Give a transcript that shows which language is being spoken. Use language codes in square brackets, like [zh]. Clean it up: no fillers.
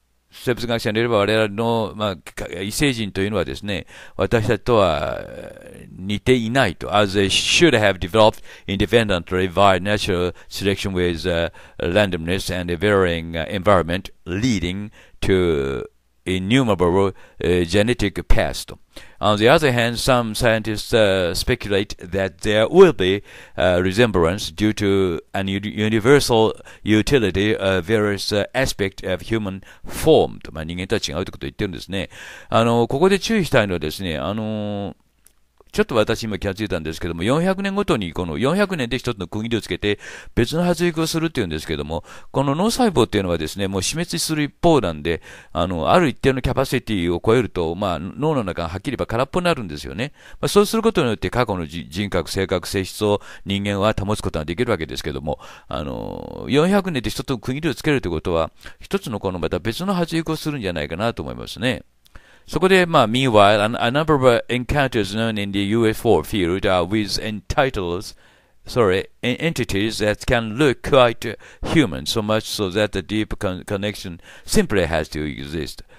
[ja] 生物学者によれば、我々の、まあ、異星人というのはですね、私たちとは似ていないと。 [en] as they should have developed independently via natural selection with randomness and a varying environment leading to innumerable genetic past. On the other hand, some scientists speculate that there will be resemblance due to an universal utility of various aspects of human form. [ja] と、まあ、人間とは違うということを言ってるんですね。ここで注意したいのはですね、ちょっと私今気がついたんですけども、400年ごとにこの400年で一つの区切りをつけて別の発育をするっていうんですけども、この脳細胞っていうのはですね、もう死滅する一方なんで、ある一定のキャパシティを超えると、まあ脳の中がはっきり言えば空っぽになるんですよね。まあ、そうすることによって過去の人格、性格、性質を人間は保つことができるわけですけども、400年で一つの区切りをつけるということは、一つのこのまた別の発育をするんじゃないかなと思いますね。そこで、まあ、 [en] meanwhile, a number of encounters known in the UFO field are with entities that can look quite human, so much so that a deep connection simply has to exist.